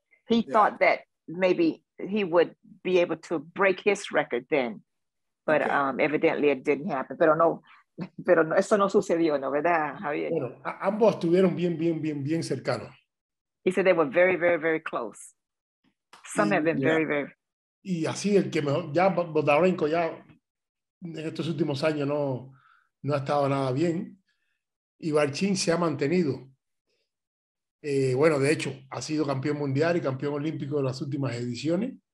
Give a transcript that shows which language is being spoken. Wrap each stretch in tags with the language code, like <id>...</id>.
<en>He thought that maybe he would be able to break his record then. But okay. Evidently it didn't happen.</en> <es>Pero no, eso no sucedió, ¿no verdad, Javier? Bueno, ambos estuvieron bien, bien, bien, bien cercanos.</es> <en>He said they were very, very, very close. Some have been very, very...</en> <es>Y así el que mejor... Ya Bodarenko ya en estos últimos años no ha estado nada bien. Y Barchín se ha mantenido. De hecho, ha sido campeón mundial y campeón olímpico de las últimas ediciones.</es>